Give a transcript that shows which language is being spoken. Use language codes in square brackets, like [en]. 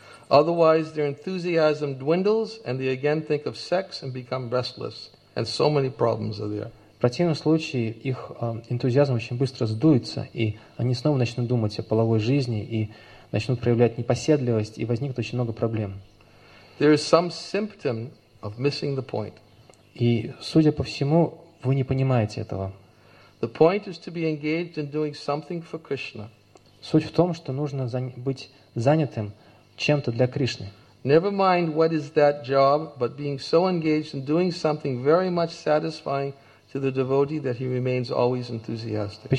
[en] Otherwise, their enthusiasm dwindles, and they again think of sex and become restless, and so many problems are there. [ru] В противном случае их энтузиазм очень быстро сдуется, и они снова начнут думать о половой жизни и начнут проявлять непоседливость, и возникнет очень много проблем. [en] There is some symptom of missing the point. [ru] И, судя по всему, вы не понимаете этого. [en] The point is to be engaged in doing something for Krishna. [ru] Суть в том, что нужно быть занятым чем-то для Кришны. [en] Never mind what is that job, but being so engaged in doing something very much satisfying to the devotee that he remains always enthusiastic.